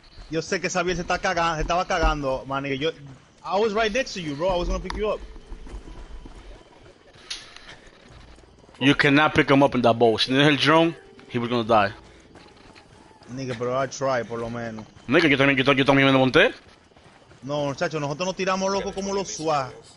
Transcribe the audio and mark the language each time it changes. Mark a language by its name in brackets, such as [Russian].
[Spanish] Yo sé que Sabiel se estaba cagando, [English] man, nigga. I was right next to you, bro. I was gonna pick you up. You cannot pick him up in that boat. [Spanish] Si no es el drone, [English] he was gonna die. [Spanish] Nigga, pero [English] I tried, [Spanish] por lo menos. Nigga, yo también me monté. No, muchachos, nosotros nos tiramos loco como los SWAT.